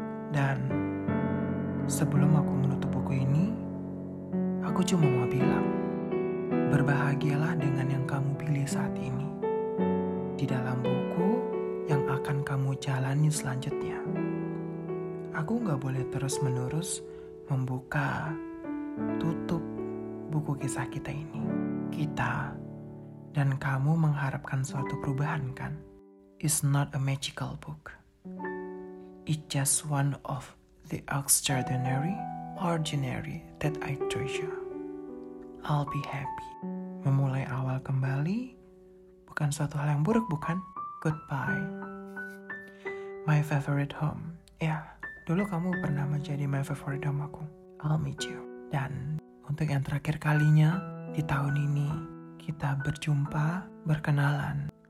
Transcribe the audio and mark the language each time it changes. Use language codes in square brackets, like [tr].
[id] Dan sebelum aku menutup buku ini, aku cuma mau bilang, berbahagialah dengan yang kamu pilih saat ini di dalam buku yang akan kamu jalani selanjutnya. Aku gak boleh terus-menerus membuka, tutup buku kisah kita ini. Kita dan kamu mengharapkan suatu perubahan, kan? [en] It's not a magical book. It's just one of the extraordinary, ordinary that I treasure. I'll be happy. [id] Memulai awal kembali bukan suatu hal yang buruk, bukan? [en] Goodbye. My favorite home. Yeah. [id] Dulu kamu pernah menjadi [en] my favorite home aku. I'll meet you. [id] Dan untuk yang terakhir kalinya, di tahun ini, kita berjumpa, berkenalan.